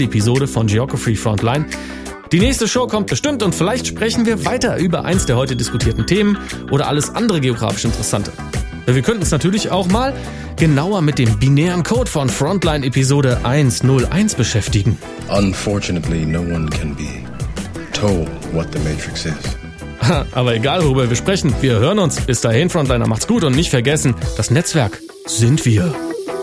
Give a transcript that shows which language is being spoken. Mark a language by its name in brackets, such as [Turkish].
[German] Episode von Geography Frontline. Die nächste Show kommt bestimmt und vielleicht sprechen wir weiter über eins der heute diskutierten Themen oder alles andere geografisch Interessante. Wir könnten es natürlich auch mal genauer mit dem binären Code von Frontline Episode 101 beschäftigen. [English] Unfortunately, no one can be told what the Matrix is. [German] Aber egal, worüber wir sprechen, wir hören uns. Bis dahin, Frontliner, macht's gut und nicht vergessen, das Netzwerk sind wir.